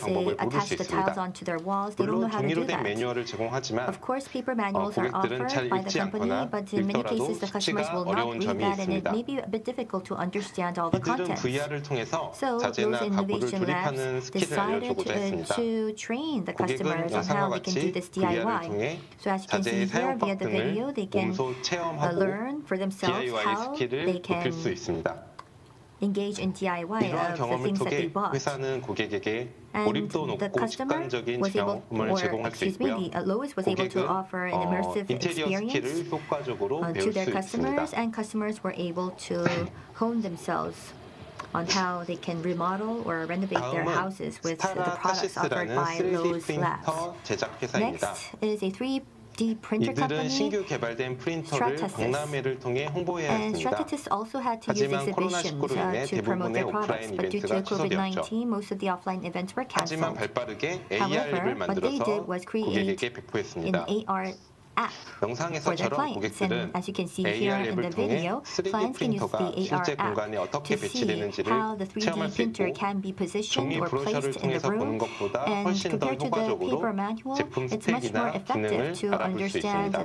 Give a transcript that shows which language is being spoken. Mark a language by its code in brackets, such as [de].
[ko] 방법을 모를 수 있습니다. 물론 종이로 된 매뉴얼을 제공하지만 [en] course, [ko] 고객들은 잘 읽지 않거나 읽더라도 수치가 어려운 점이 있습니다. 이들은 VR을 통해서 자재나 가구를 조립하는 스킬을 알려주고자 했습니다. [en] To train the customers on how they can do this DIY. So as you can see here via the video, they can learn for themselves how they can engage in DIY of the things that they bought. [ko] 회사는 고객에게 고립도 높고 직관적인 경험을 제공할 수 있고요. 고객은 인테리어 스킬을 효과적으로 배울 수 있습니다. [en] And customers were able to hone themselves. On how they can remodel or renovate their houses with the products offered by Lowe's Labs. Next is a 3D printer company, Stratasys. And Stratasys also had to use exhibitions to promote their products, but due to COVID-19, most of the offline events were canceled. However, what they did was create an AR. [ko] 영상에서처럼 고객들은 AR앱을 통해 3D 프린터가 실제 공간에 어떻게 배치되는지를 체험할 수 있고 종이 브로셔를 통해서 보는 것보다 훨씬 더 효과적으로 제품 스펙이나 기능을 알아볼 수 있습니다.